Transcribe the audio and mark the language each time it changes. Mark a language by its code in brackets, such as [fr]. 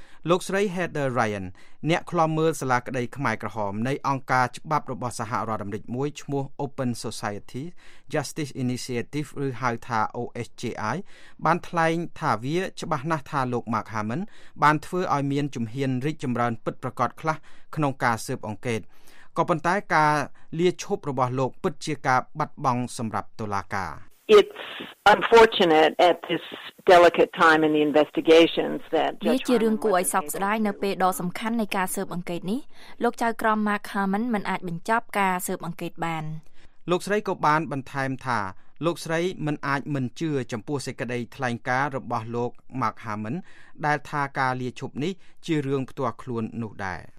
[km] លោកស្រី Heather Ryan អ្នកខ្លំមើលសាលាក្តីខ្មែរក្រហមនៃអង្គការច្បាប់របស់សហរដ្ឋអាមេរិកមួយឈ្មោះ Open Society Justice Initiative ឬហៅថា OSJI បានថ្លែងថាវាច្បាស់ណាស់ថាលោក Mark Hammond បានធ្វើឲ្យមានជំហានរីកចម្រើនពិតប្រាកដខ្លះក្នុងការស៊ើបអង្កេតក៏ប៉ុន្តែការលាឈប់របស់លោកពិតជាការបាត់បង់សម្រាប់តុលាការ [en] It's unfortunate at this delicate time in the investigations that [km] Judge Harmon ជារឿងគួរឲ្យសោកស្ដាយនៅពេលដ៏សំខាន់នៃការស៊ើបអង្កេតនេះលោកចៅក្រម Mark Hammond មិនអាចបញ្ចប់ការស៊ើបអង្កេតបាន លោកស្រីក៏បានបន្ថែមថាលោកស្រីមិនអាចមិនជឿចំពោះសេចក្តីថ្លែងការណ៍របស់លោក Mark Hammond ដែលថាការលាឈប់នេះជារឿងផ្ទាល់ខ្លួននោះដែរ